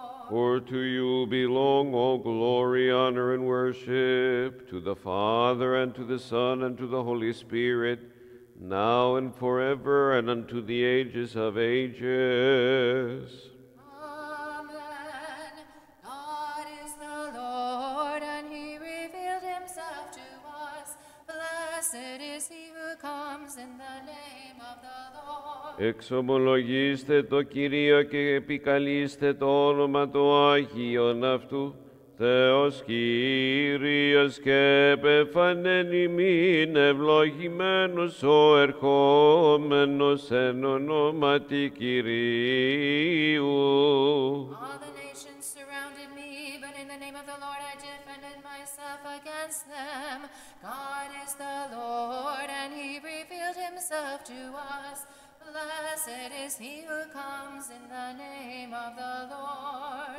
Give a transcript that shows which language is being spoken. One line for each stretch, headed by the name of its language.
English: For to you belong all glory, honor, and worship, to the Father, and to the Son, and to the Holy Spirit, now and forever, and unto the ages of ages. Amen. God is the Lord, and he revealed himself to us. Blessed is he who comes in the name of the Lord.
Greek: Εξομολογήστε το Κυρίο και επικαλείστε το όνομα του Άγιον αυτού, Θεός Κύριος και επεφανέν ημίν ευλογημένος ο ερχόμενος εν ονόματι Κυρίου.
English: All the nations surrounded me, but in the name of the Lord I defended myself against them. God is the Lord, and he revealed himself to us. Blessed is he who comes in the name of the Lord.